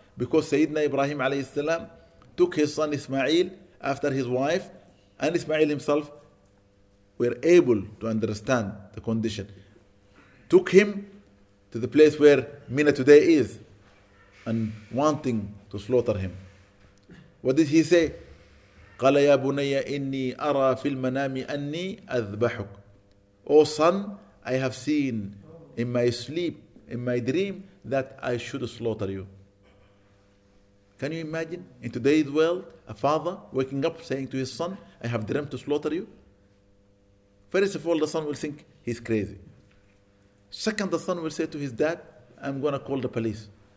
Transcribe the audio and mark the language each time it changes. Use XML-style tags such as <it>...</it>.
<en>Because Sayyidina Ibrahim alayhi salam took his son Ismail after his wife, and Ismail himself were able to understand the condition. Took him to the place where Mina today is, and wanting to slaughter him. What did he say?</en> <ar>قال يا بني إني أرى في المنام أني أذبحك.</ar> <en>O son, I have seen in my sleep, in my dream, that I should slaughter you. Can you imagine in today's world, a father waking up saying to his son, I have dreamt to slaughter you? First of all, the son will think he's crazy. Second, the son will say to his dad, I'm going to call the police.</en>